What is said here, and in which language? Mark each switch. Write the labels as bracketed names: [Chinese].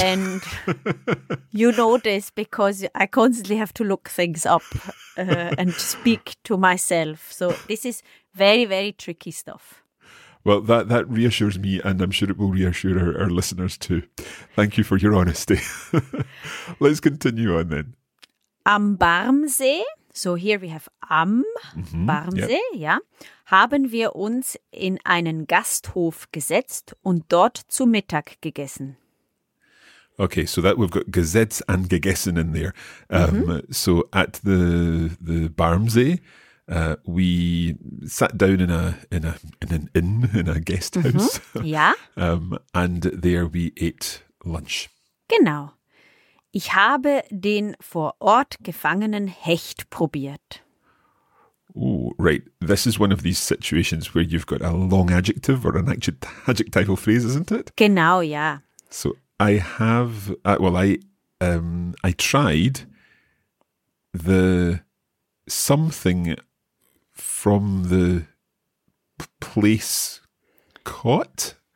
[English] And you know this because I constantly have to look things up and speak to myself. So this is very, very tricky stuff. Well, that reassures me, and I'm sure it will reassure our listeners too. Thank you for your honesty. Let's continue on then. [German] Am Barmsee, [English] so here we have [German] am Barmsee, yeah, haben wir uns in einen Gasthof gesetzt und dort zu Mittag gegessen. [English] Okay, so that we've got gesetzt and gegessen in there. So at the Barmsee, we sat down in an guest house. And there we ate lunch. [German] Genau. Ich habe den vor Ort gefangenen Hecht probiert. [English] Oh, right. This is one of these situations where you've got a long adjective or an adjectival phrase, isn't it? [German] Genau, ja. [English] So I have, I tried the something from the place caught?